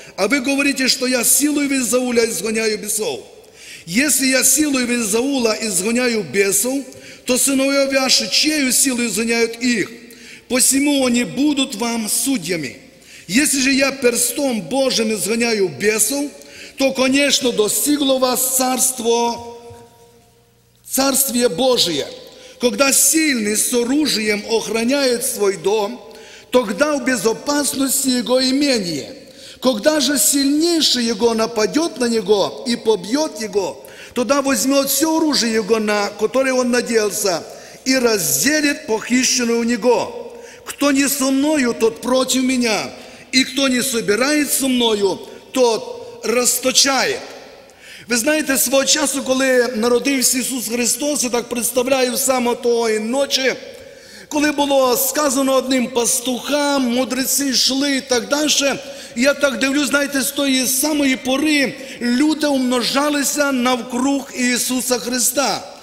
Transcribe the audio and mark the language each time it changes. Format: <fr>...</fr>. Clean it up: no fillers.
<uk>А ви говорите, що я силою Вельзевула ізгоняю бісов. Якщо я силою Вельзевула ізгоняю бісов, то синові ваші чиєю силою ізгоняють їх? Посіму вони будуть вам суддями. Якщо ж я перстом Божим ізгоняю бісов,</uk> <ru>то, конечно, достигло вас царство, царствие Божие. Когда сильный с оружием охраняет свой дом, тогда в безопасности его имение. Когда же сильнейший его нападет на него и побьет его, тогда возьмет все оружие его, на которое он надеялся, и разделит похищенное у него. Кто не со мною, тот против меня, и кто не собирает со мною, тот расточает.</ru> <uk>Ви знаєте, свого часу, коли народився Ісус Христос, я так представляю, саме тої ночі, коли було сказано одним пастухам, мудреці йшли і так далі, я так дивлю, знаєте, з тої самої пори люди умножалися навкруг Ісуса Христа.</uk>